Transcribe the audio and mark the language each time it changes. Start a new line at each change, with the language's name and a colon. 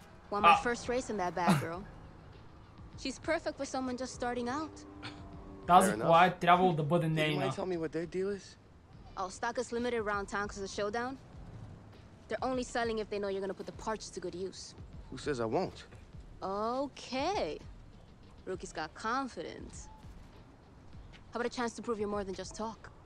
English: Won my first race in that bad girl. She's perfect for someone just starting out.
Bulgarian: Тази кола е трябвало да бъде нейна.
English: I'll stock us limited round town because of the showdown. They're only selling if they know you're gonna put the parts to good use. Who says I won't? Okay. Rookie's got confidence. How about a chance to prove you're more than just talk?